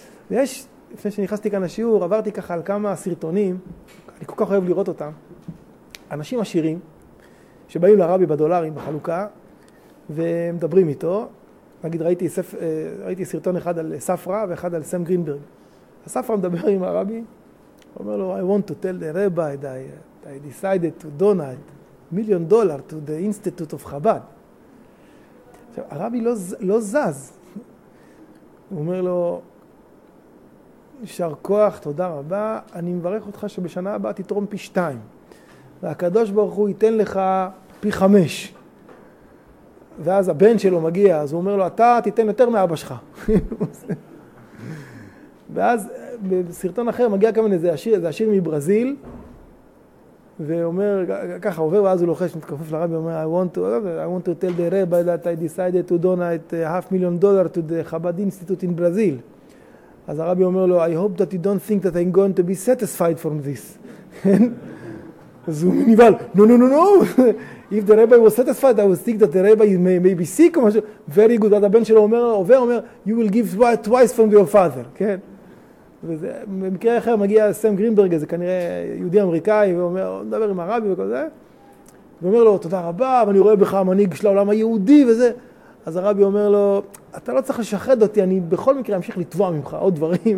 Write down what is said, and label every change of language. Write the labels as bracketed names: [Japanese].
[Hebrew] ויש, לפני שנכנסתי כאן לשיעור, עברתי ככה על כמה סרטונים, אני כל כך אוהב לראות אותם, אנשים עשירים, שבאים לרבי בדולרים בחלוקה, ומדברים איתו. נגיד, ראיתי סרטון אחד על ספרה ואחד על סם גרינברג. הספרה מדבר עם הרבי, הוא אומר לו, [English] I want to tell the rabbi that I decided to donate $1,000,000 to the Institute of Chabad. [Hebrew] עכשיו, הרבי לא זז. הוא אומר לו, יישר כוח, תודה רבה, אני מברך אותך שבשנה הבאה תתרום פי שתיים. והקדוש ברוך הוא ייתן לך פי חמש. ואז הבן שלו מגיע, אז הוא אומר לו, אתה תיתן יותר מאבא שלך. ואז בסרטון אחר מגיע כמובן איזה עשיר, זה עשיר מברזיל, ואומר, ככה עובר, ואז הוא לוחש, מתכופף לרבי, אומר, [English] I want to tell the rabbi that I decided to donate $500,000 to the Chabad Institute in Brazil. [Hebrew] אז הרבי אומר לו, [English] I hope that you don't think that I'm going to be satisfied from this. [Hebrew] אז הוא נבהל, [English] no. If the rabbi was satisfied, I would think that the rabbi may be sick or [Hebrew] משהו. [English] Very good. [Hebrew] אז הבן שלו אומר, [English] you will give twice from your father. [Hebrew] כן? וזה, במקרה אחר מגיע סם גרינברג, זה כנראה יהודי אמריקאי, ואומר, מדבר עם הרבי וכל זה. ואומר לו, תודה רבה, אבל אני רואה בך המנהיג של העולם היהודי וזה. אז הרבי אומר לו, אתה לא צריך לשחד אותי, אני בכל מקרה אמשיך לטבוע ממך עוד דברים.